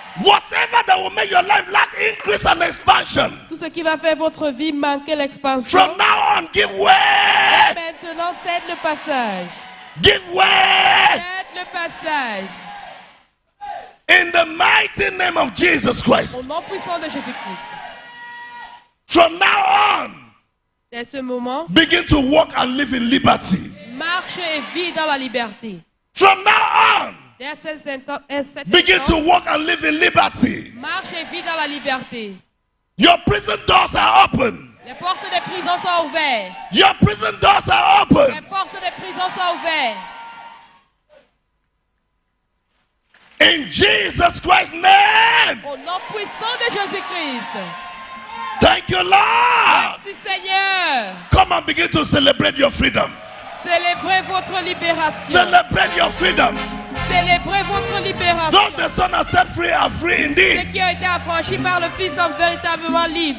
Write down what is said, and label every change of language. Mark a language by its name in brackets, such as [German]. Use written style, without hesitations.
[English] Whatever that will make your life lack increase and expansion. [French] Tout ce qui va faire votre vie manquer l'expansion. [English] From now on, give way. [French] Et maintenant, cède le passage. [English] Give way. [French] Cède le passage. [English] In the mighty name of Jesus Christ. [French] Au nom puissant de Jésus-Christ. [English] From now on. [French] Dès ce moment. [English] Begin to walk and live in liberty. [French] Marche et vis dans la liberté. [English] From now on. Begin to walk and live in liberty. [French] Marche et vis dans la liberté. [English] Your prison doors are open. [French] Les portes de prison sont ouvertes. [English] Your prison doors are open. [French] Les portes de prison sont ouvertes. [English] In Jesus Christ's name. [French] Au nom puissant de Jésus-Christ. [English] Thank you, Lord. [French] Merci, Seigneur. [English] Come and begin to celebrate your freedom. [French] Célébrez votre libération. [English] Celebrate your freedom. [French] Célébrez votre libération. [English] Those the Son has set free are free indeed. [French] Ceux qui ont été affranchis par le Fils sont véritablement libres.